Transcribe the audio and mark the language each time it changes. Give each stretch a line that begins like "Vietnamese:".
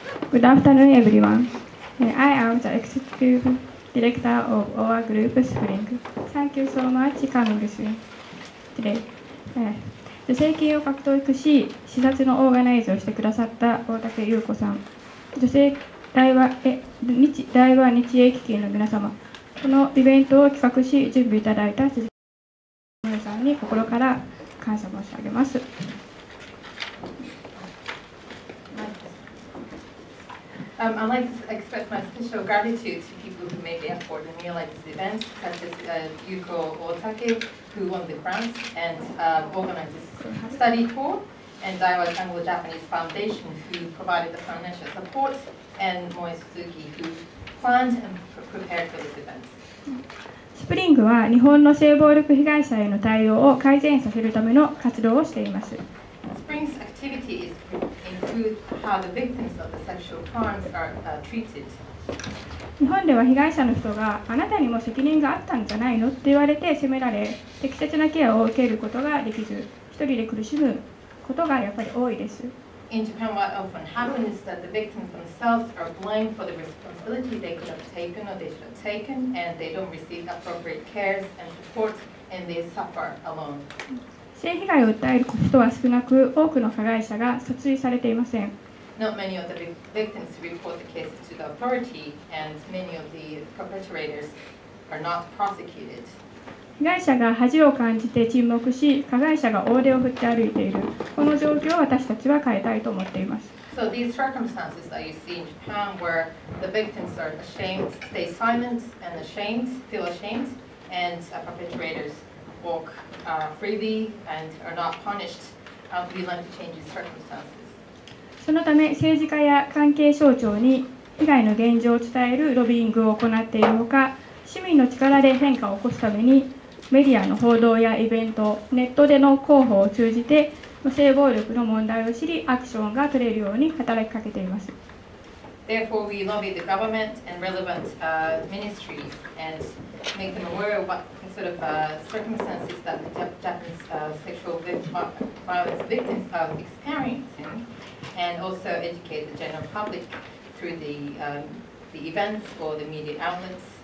English: Good afternoon, everyone. I am the executive director of our group, Spring. Thank you so much for coming today.
Japanese: 助成金を獲得し、視察のオーガナイズをしてくださった大竹優子さん、助成大和日英基金の皆様、このイベントを企画し、準備いただいた辻村さんに心から感謝申し上げます。
English: I'd like to express my special gratitude to people who made the effort to realize this event, such as Yuko Otake, who won the grant and organized this study tour, and Daiwa Anglo-Japanese Foundation, who provided the financial support, and Moe Suzuki, who planned and prepared for this event.
Japanese: スプリングは日本の性暴力被害者への対応を改善させるための活動をしています。
English: スプリングの activity is to include how the victims of the sexual crimes are treated.
Japanese: 日本では被害者の人があなたにも責任があったんじゃないのって言われて責められ、適切なケアを受けることができず、一人で苦しむことがやっぱり多いです。
English: In Japan, what often happens is that the victims themselves are blamed for the responsibility they could have taken or they should have taken, and they don't receive appropriate care and support, and they suffer alone.
Japanese: 性被害を訴える人は少なく、多くの加害者が訴追されていません。
English: Not many of the victims report the cases to the authority, and many of the perpetrators are not prosecuted.
Japanese: 被害者が恥を感じて沈黙し、加害者が大手を振って歩いている。この状況を私たちは変えたいと思っています。
English: So these circumstances that you see in Japan where the victims are ashamed, stay silent and ashamed, feel ashamed, and perpetrators walk freely and are not punished, we want to change these circumstances.
Japanese: そのため政治家や関係省庁に被害の現状を伝えるロビーングを行っているほか、市民の力で変化を起こすためにメディアの報道やイベント、ネットでの広報を通じて性暴力の問題を知り、アクションが取れるように働きかけています。
English: Therefore, we lobby the government and relevant ministries and make them aware of what sort of circumstances that the Japanese sexual violence victims are experiencing and also educate the general public through the events or the media outlets.